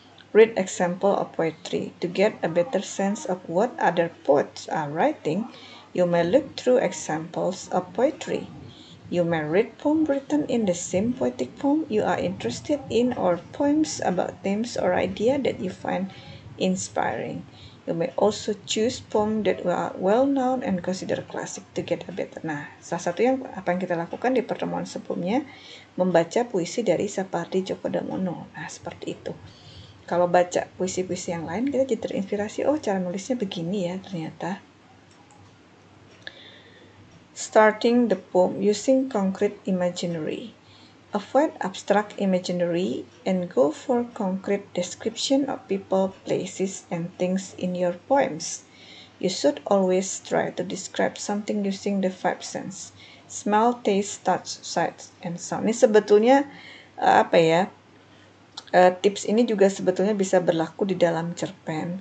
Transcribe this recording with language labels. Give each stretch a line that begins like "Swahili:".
English: Read example of poetry. To get a better sense of what other poets are writing, you may look through examples of poetry. You may read poems written in the same poetic form you are interested in, or poems about themes or idea that you find inspiring. You may also choose poems that are well known and consider classic to get a better.
Indonesian: Nah, salah satu yang apa yang kita lakukan di pertemuan sebelumnya, membaca puisi dari Sapardi Djoko Damono. Nah, seperti itu. Kalau baca puisi-puisi yang lain, kita jadi terinspirasi, oh cara nulisnya begini ya ternyata.
English: Starting the poem using concrete imaginary. Avoid abstract imaginary and go for concrete description of people, places, and things in your poems. You should always try to describe something using the five senses: smell, taste, touch, sight, and sound.
Indonesian: Ini sebetulnya apa ya? Tips ini juga sebetulnya bisa berlaku di dalam cerpen.